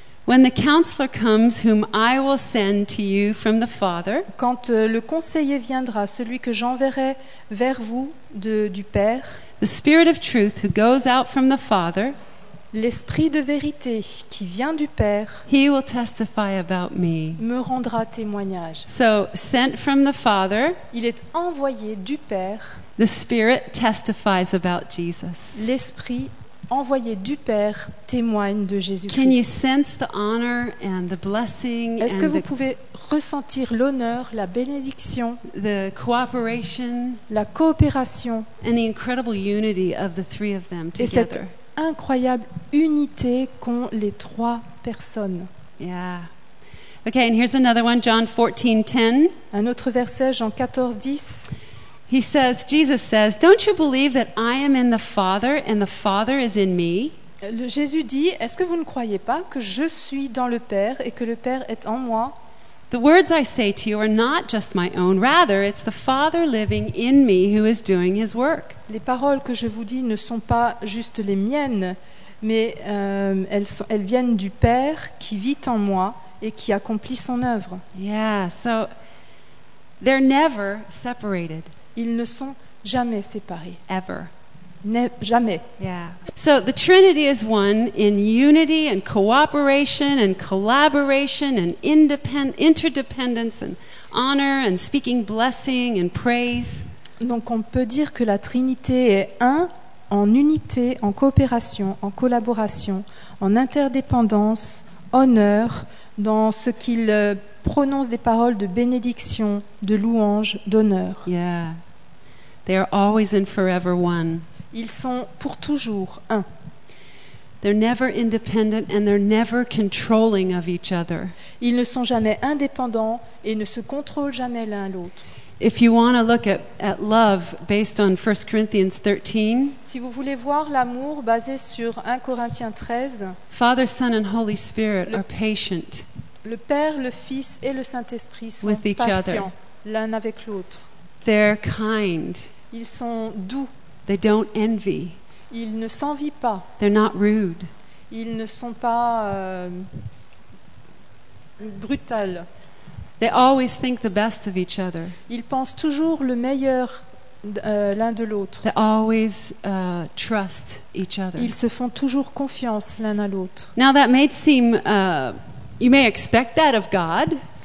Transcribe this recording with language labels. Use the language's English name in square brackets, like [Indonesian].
[English] When the counselor comes whom I will send to you from the Father, [French] quand le conseiller viendra, celui que j'enverrai vers vous du Père, [English] the Spirit of truth who goes out from the Father, [French] l'Esprit de vérité qui vient du Père, [English] he will testify about me, [French] me rendra témoignage. [English] So, sent from the Father, [French] il est envoyé du Père, [English] the Spirit testifies about Jesus. [French] L'Esprit envoyé du Père témoigne de Jésus-Christ. [English] Can you sense the honor and the blessing? [French] Est-ce que [English] and [French] vous pouvez ressentir l'honneur, la bénédiction, [English] the cooperation, [French] la coopération, [English] and the incredible unity of the three of them together? [French] Et cette incroyable unité qu'ont les trois personnes. [English] Yeah. Okay, and here's another one, John 14:10. [French] Un autre verset, Jean 14:10. [English] He says, Jesus says, don't you believe that I am in the Father and the Father is in me? [French] Jésus dit, est-ce que vous ne croyez pas que je suis dans le Père et que le Père est en moi? [English] The words I say to you are not just my own, rather it's the Father living in me who is doing his work. [French] Les paroles que je vous dis ne sont pas juste les miennes, mais elles viennent du Père qui vit en moi et qui accomplit son œuvre. [English] Yeah, so they're never separated. [French] Ils ne sont jamais séparés. [English] Ever. [French] Jamais. [English] Yeah. So the Trinity is one in unity and cooperation and collaboration and interdependence and honor and speaking blessing and praise. [French] Donc on peut dire que la Trinité est un en unité, en coopération, en collaboration, en interdépendance, honneur, dans ce qu'il prononce des paroles de bénédiction, de louange, d'honneur. [English] Yeah. They are always and forever one. [French] Ils sont pour toujours un. [English] They're never independent and they're never controlling of each other. [French] Ils ne sont jamais indépendants et ne se contrôlent jamais l'un l'autre. [English] If you want to look at love based on 1 Corinthians 13, [French] si vous voulez voir l'amour basé sur 1 Corinthiens 13, [English] Father, Son and Holy Spirit are patient. [French] Le Père, le Fils et le Saint-Esprit sont patients l'un avec l'autre. [English] They're kind. [French] Ils sont doux. [English] They don't envy. [French] Ils ne s'envient pas. [English] They're not rude. [French] Ils ne sont pas brutal. [English] They always think the best of each other. [French] Ils pensent toujours le meilleur l'un de l'autre. [English] They always trust each other. [French] Ils se font toujours confiance l'un à l'autre. [English] Now that may seem you may expect that of God.